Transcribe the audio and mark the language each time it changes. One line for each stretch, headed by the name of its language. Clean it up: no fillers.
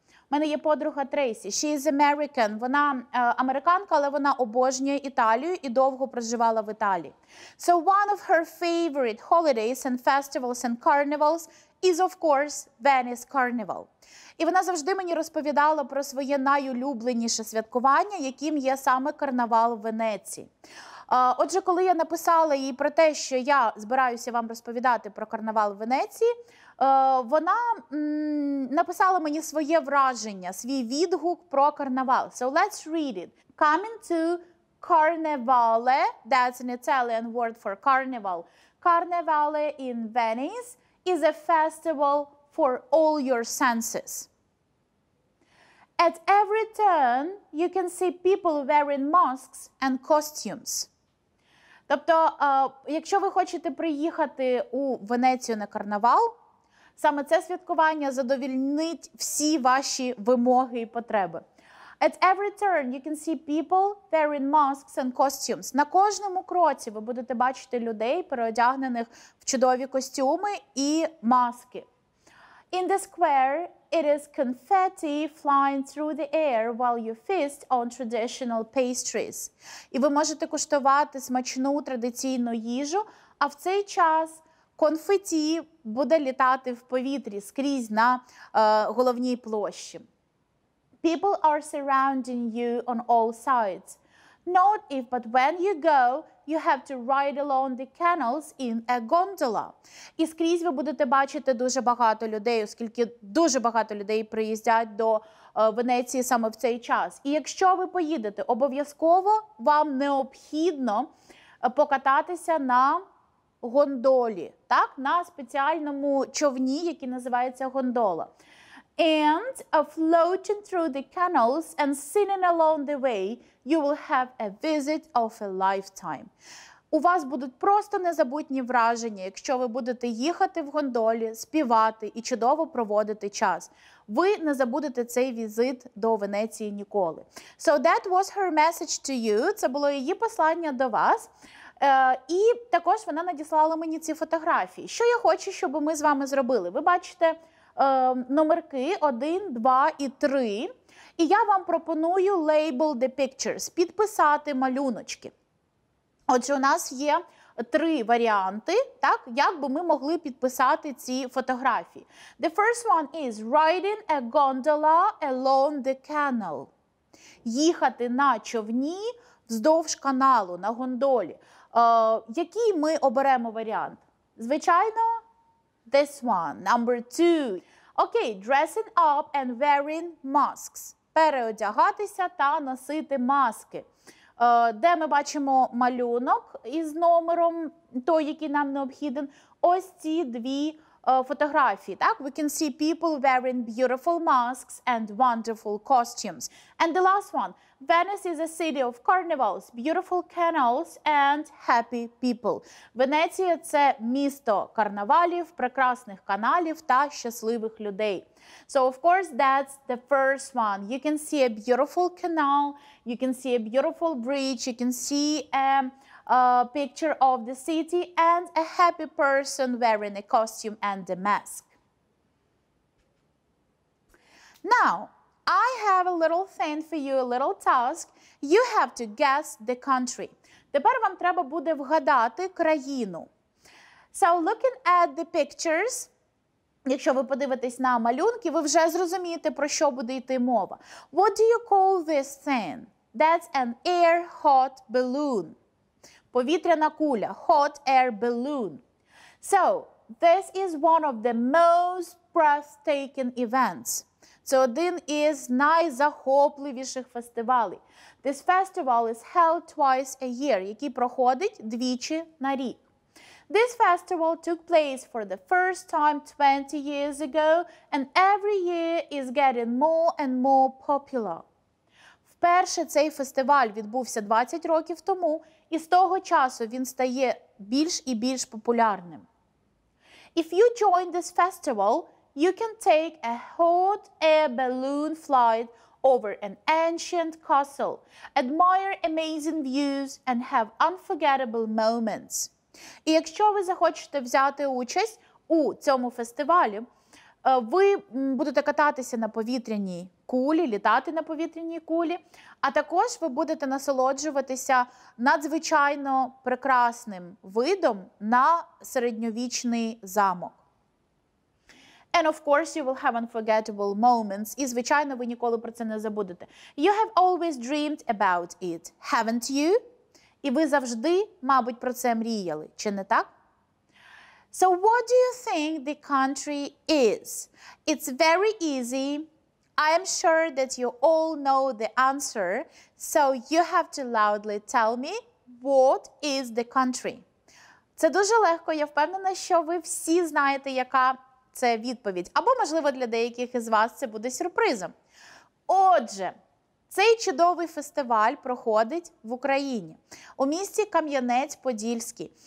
Ukrainian: У мене є подруга Трейсі.
English: She is American.
Ukrainian: Вона американка, але вона обожнює Італію і довго проживала в Італії.
English: So one of her favorite holidays and festivals and carnivals is, of course, Venice Carnival.
Ukrainian: І вона завжди мені розповідала про своє найулюбленіше святкування, яким є саме карнавал в Венеції. Отже, коли я написала їй про те, що я збираюся вам розповідати про карнавал в Венеції, вона написала мені своє враження, свій відгук про карнавал.
English: So let's read it. Coming to Carnevale, that's an Italian word for carnival. Carnevale in Venice is a festival for all your senses. At every turn, you can see people wearing masks and costumes.
Ukrainian: Тобто, якщо ви хочете приїхати у Венецію на карнавал, саме це святкування задовільнить всі ваші вимоги і потреби.
English: At every turn you can see people wearing masks and costumes.
Ukrainian: На кожному кроці ви будете бачити людей, переодягнених в чудові костюми і маски.
English: In the square it is confetti flying through the air while you feast on traditional pastries.
Ukrainian: І ви можете куштувати смачну традиційну їжу, а в цей час конфеті буде літати в повітрі скрізь на головній площі.
English: People are surrounding you on all sides. Not if, but when you go, you have to ride along the canals in a gondola.
Ukrainian: І скрізь ви будете бачити дуже багато людей, оскільки дуже багато людей приїздять до Венеції саме в цей час. І якщо ви поїдете, обов'язково вам необхідно покататися на гондолі, так, на спеціальному човні, який називається гондола.
English: And floating through the canals and singing along the way, you will have a visit of a lifetime.
Ukrainian: У вас будуть просто незабутні враження, якщо ви будете їхати в гондолі, співати і чудово проводити час. Ви не забудете цей візит до Венеції ніколи.
English: So that was her message to you.
Ukrainian: Це було її послання до вас. І також вона надіслала мені ці фотографії. Що я хочу, щоб ми з вами зробили? Ви бачите номерки 1, 2 і 3. І я вам пропоную
English: label the pictures,
Ukrainian: підписати малюночки. Отже, у нас є три варіанти, так, як би ми могли підписати ці фотографії.
English: The first one is riding a gondola along the canal.
Ukrainian: Їхати на човні вздовж каналу, на гондолі. Який ми оберемо варіант? Звичайно,
English: this one, number two. Окей, dressing up and wearing masks.
Ukrainian: Переодягатися та носити маски. Де ми бачимо малюнок із номером, той, який нам необхіден? Ось ці дві фотографії, так?
English: We can see people wearing beautiful masks and wonderful costumes. And the last one. Venice is a city of carnivals, beautiful canals and happy people.
Ukrainian: Венеція – це місто карнавалів, прекрасних каналів та щасливих людей.
English: So of course that's the first one. You can see a beautiful canal, you can see a beautiful bridge, you can see a picture of the city and a happy person wearing a costume and a mask. Now, I have a little thing for you, a little task. You have to guess the country.
Ukrainian: Тепер вам треба буде вгадати країну.
English: So, looking at the pictures,
Ukrainian: якщо ви подивитесь на малюнки, ви вже зрозумієте, про що буде йти мова.
English: What do you call this thing? That's an air hot balloon.
Ukrainian: Повітряна куля.
English: Hot air balloon. So, this is one of the most breathtaking events.
Ukrainian: Це один із найзахопливіших фестивалів.
English: This festival is held twice a year,
Ukrainian: який проходить двічі на рік.
English: This festival took place for the first time 20 years ago and every year is getting more and more popular.
Ukrainian: Вперше цей фестиваль відбувся 20 років тому, і з того часу він стає більш і більш популярним.
English: If you join this festival, you can take a hot air balloon flight over an ancient castle, admire amazing views and have unforgettable moments.
Ukrainian: І якщо ви захочете взяти участь у цьому фестивалі, ви будете кататися на повітряній кулі, літати на повітряній кулі, а також ви будете насолоджуватися надзвичайно прекрасним видом на середньовічний замок.
English: And of course you will have unforgettable moments.
Ukrainian: І, звичайно, ви ніколи про це не забудете.
English: You have always dreamed about it, haven't you?
Ukrainian: І ви завжди, мабуть, про це мріяли, чи не так?
English: So what do you think the country is? It's very easy. I am sure that you all know the answer. So you have to loudly tell me what is the country.
Ukrainian: Це дуже легко. Я впевнена, що ви всі знаєте, яка це відповідь. Або, можливо, для деяких із вас це буде сюрпризом. Отже, цей чудовий фестиваль проходить в Україні, у місті Кам'янець-Подільський.